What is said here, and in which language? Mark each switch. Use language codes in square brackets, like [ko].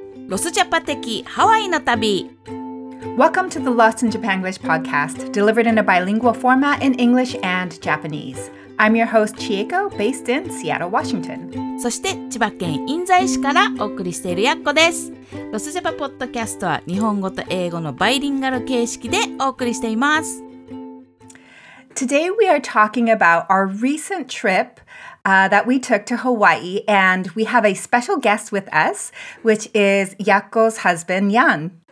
[ja] ロスジャパ的ハワイの旅。 [en] Welcome to the Lost in Japanglish podcast, delivered in a bilingual format in English and Japanese. I'm your host Chieko, based in Seattle, Washington. [ja] そして千葉県印西市からお送りしているやっこです。ロスジャパポッドキャストは日本語と英語のバイリンガル形式でお送りしています。 [en] Today we are talking about our recent trip that we took to Hawaii, and we have a special guest with us, which is Yakko's husband, Yan.